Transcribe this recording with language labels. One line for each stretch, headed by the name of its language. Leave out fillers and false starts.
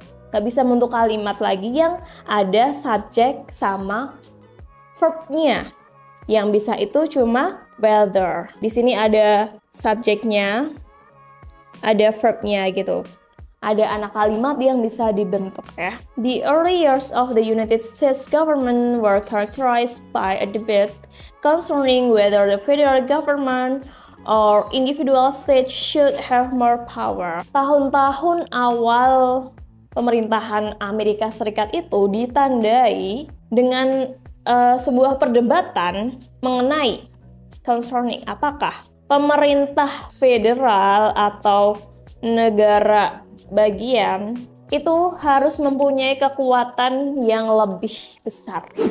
Indonesian: Gak bisa bentuk kalimat lagi yang ada subjek sama verbnya. Yang bisa itu cuma whether. Di sini ada subjeknya, ada verbnya gitu. Ada anak kalimat yang bisa dibentuk ya.
English: The early years of the United States government were characterized by a debate concerning whether the federal government or individual state should have more power.
Indonesian: Tahun-tahun awal pemerintahan Amerika Serikat itu ditandai dengan sebuah perdebatan mengenai concerning apakah pemerintah federal atau negara bagian itu harus mempunyai kekuatan yang lebih besar.